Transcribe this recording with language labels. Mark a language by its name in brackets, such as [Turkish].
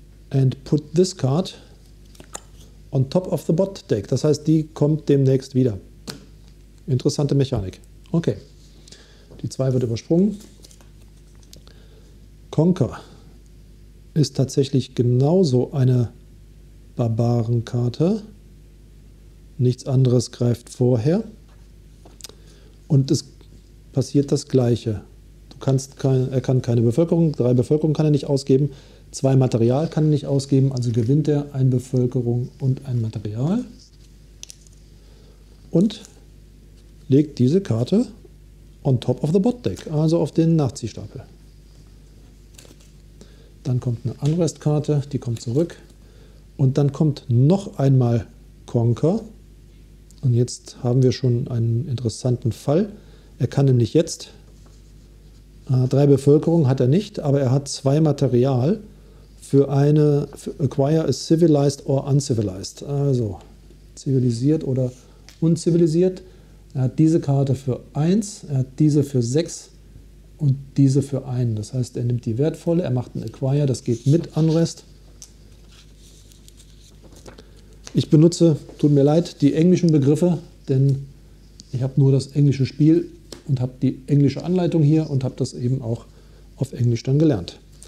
[English] And put this card on top of the bot deck. [German] Das heißt, die kommt demnächst wieder. Interessante Mechanik. Okay. Die 2 wird übersprungen. Conquer ist tatsächlich genauso eine Barbarenkarte. Nichts anderes greift vorher. Und es passiert das Gleiche. Er kann keine Bevölkerung, 3 Bevölkerung kann er nicht ausgeben. 2 Material kann er nicht ausgeben, also gewinnt er 1 Bevölkerung und 1 Material. Und legt diese Karte [English] on top of the bot deck, [German] also auf den Nachziehstapel. Dann kommt eine Unrest-Karte, die kommt zurück. Und dann kommt noch einmal Conquer. Und jetzt haben wir schon einen interessanten Fall. Er kann nämlich jetzt, 3 Bevölkerung hat er nicht, aber er hat 2 Material. [English] Acquire is civilized or uncivilized. [German] Also zivilisiert oder unzivilisiert. Er hat diese Karte für 1, er hat diese für 6 und diese für 1. Das heißt, er nimmt die wertvolle, er macht ein Acquire, das geht mit Unrest. Ich benutze, tut mir leid, die englischen Begriffe, denn ich habe nur das englische Spiel und habe die englische Anleitung hier und habe das eben auch auf Englisch dann gelernt.